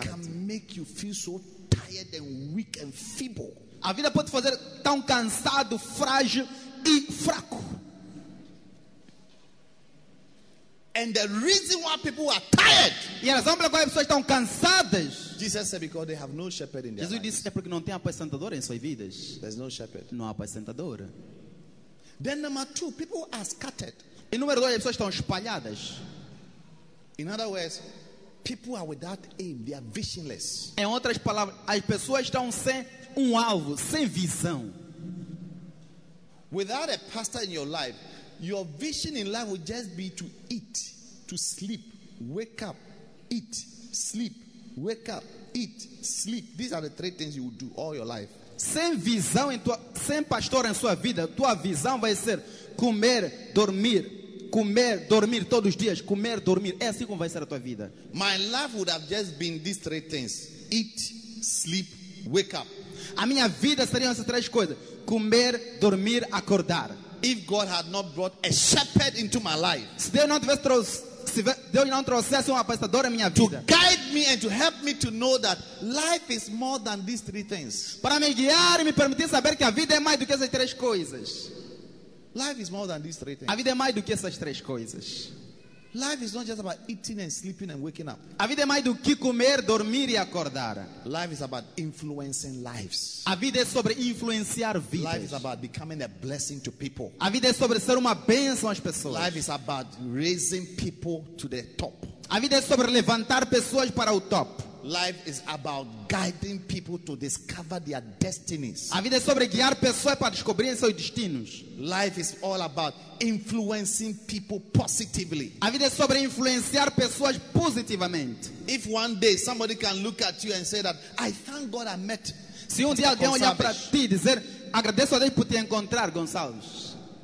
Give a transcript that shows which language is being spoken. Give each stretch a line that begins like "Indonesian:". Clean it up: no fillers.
English: Life can make you feel so tired and weak and feeble.
Portuguese: A vida pode fazer tão cansado, frágil e fraco.
English: And the reason why people are tired.
Portuguese: E a razão pela qual as pessoas estão cansadas.
English: Jesus said because they have no shepherd in their lives.
Portuguese: Jesus disse é porque não tem apacentador em suas vidas.
English: There's no shepherd.
Portuguese: Não há apacentador.
English: Then number two, people are scattered.
Portuguese: E número dois, as pessoas estão espalhadas.
English: In other words, people are without aim, they are visionless.
Portuguese: Em outras palavras, as pessoas estão sem um alvo, sem visão.
English: Without a pastor in your life, your vision in life will just be to eat, to sleep, wake up, eat, sleep, wake up, eat, sleep. These are the three things you will do all your life.
Portuguese: Sem visão em tua, sem pastor em sua vida, tua visão vai ser comer, dormir. Comer, dormir todos os dias. Comer, dormir. É assim como vai ser a tua vida.
English: My life would have just been these three things: eat, sleep, wake up.
Portuguese: A minha vida seriam essas três coisas: comer, dormir, acordar.
English: If God had not brought a shepherd into my life,
Portuguese: se Deus não tivesse Deus não trouxesse pastor em minha vida.
English: To guide me and to help me to know that life is more than these three things.
Portuguese: Para me guiar e me permitir saber que a vida é mais do que essas três coisas.
English: Life is more than these three things.
Portuguese: A vida é mais do que essas três coisas.
English: Life is not just about eating and sleeping and waking up.
Portuguese: A vida é mais do que comer, dormir e acordar.
English: Life is about influencing lives.
Portuguese: A vida é sobre influenciar vidas.
English: Life is about becoming a blessing to people.
Portuguese: A vida é sobre ser uma bênção às pessoas.
English: Life is about raising people to the top.
Portuguese: A vida é sobre levantar pessoas para o top.
English: Life is about guiding people to discover their destinies.
Portuguese: A vida é sobre guiar pessoas para descobrirem seus destinos.
English: Life is all about influencing people positively.
Portuguese: A vida é sobre influenciar pessoas positivamente.
English: If one day somebody can look at you and say that, I thank God I met.
Portuguese: Se dia alguém olhar para ti e dizer, agradeço a Deus por te encontrar, Gonçalves.